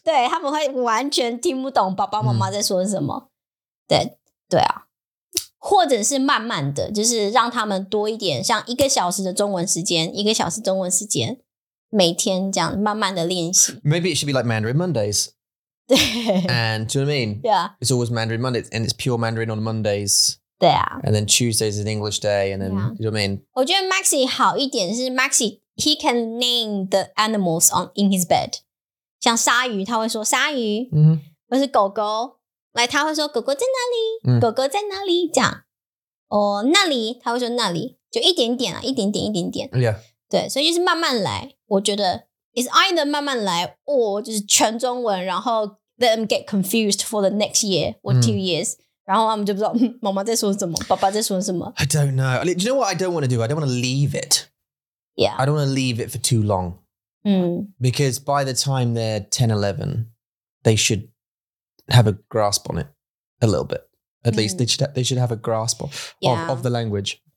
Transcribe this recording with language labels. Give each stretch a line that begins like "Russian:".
Chinese: 对，他们会完全听不懂爸爸妈妈在说什么。对，对啊。或者是慢慢的，就是让他们多一点，像一个小时的中文时间，一个小时中文时间，每天这样慢慢的练习。
English: Maybe it should be like Mandarin Mondays.
Chinese: 对。
English: And do you know what I mean? Yeah. It's always Mandarin Mondays, and it's pure Mandarin on Mondays.
Chinese: 对啊
English: and then Tuesday is an English day, and then, yeah. You know what I mean? 我觉得 Maxi 好一点是 Maxi, he can name the animals on, in his bed.
Chinese: 像鲨鱼他会说鲨鱼、 mm-hmm. 或是狗狗 like, 他会说狗狗在哪里、mm-hmm. 狗狗在哪里这样哦、那里他会说那里就一点点啊一点点一点点、
English: yeah. 对所以就是慢慢来我觉得 it's either 慢慢来 or 就是全中文然后 let them get confused for the next year or two、mm-hmm. years.
Chinese: 然后他们就不知道妈妈在说什么爸爸在说什么
English: I don't know. Do you know what I don't want to do? I don't want to leave it. Yeah. I don't want to leave it for too long.、 Mm. Because by the time they're 10, 11, they should have a grasp on it a little bit. At、mm. least they should have a grasp of the language.